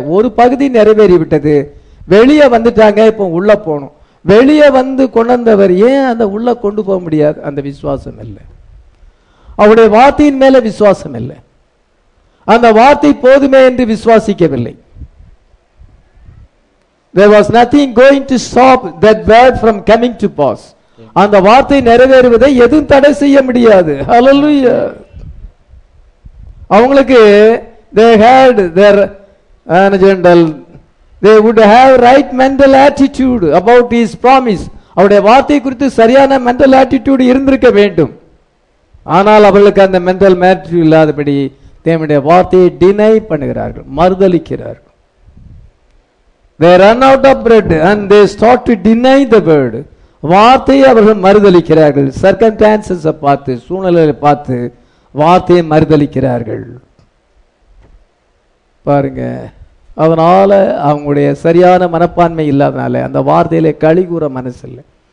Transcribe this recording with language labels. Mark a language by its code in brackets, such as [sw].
[ta] ஒரு பகுதி நிறைவேறி விட்டது. வெளியே வந்துட்டாங்க, இப்ப உள்ள போகணும். வெளியே வந்து கொண்டவர் ஏன் அந்த உள்ள கொண்டு போக முடியாது? அந்த விசுவாசம் இல்லை, அவருடைய வார்த்தையின் மேல விசுவாசம் இல்லை, அந்த வார்த்தை போதுமே என்று விசுவாசிக்கவில்லை. [en] There was nothing going to stop that word from coming to pass. [ta] அந்த வார்த்தை நிறைவேறுவதை எதுவும் தடை செய்ய முடியாது. [en] Hallelujah. [ta] அவங்களுக்கு [en] they had their agenda. They would have right mental attitude about his promise. [ta] அவருடைய வார்த்தை குறித்து சரியான mental attitude இருந்திருக்க வேண்டும். ஆனால் அவர்களுக்கு அந்த mental attitude இல்லாதபடி தேவனுடைய வார்த்தையை deny பண்ணுகிறார்கள், மறுதளிக்கிறார்கள். [en] They run out of bread and they start to deny the word. [ta] வார்த்தையை அவர்கள் மறுதளிக்கிறார்கள். சர்க்கம்ஸ்டான்சஸ் பார்த்து, சூழ்நிலைகளை பார்த்து வார்த்தையை மறுதளிக்கிறார்கள். பாருங்க, அதனால அவங்களுடைய சரியான மனப்பான்மை இல்லாதனால அந்த வார்த்தையில கழி கூற மனசு இல்லை.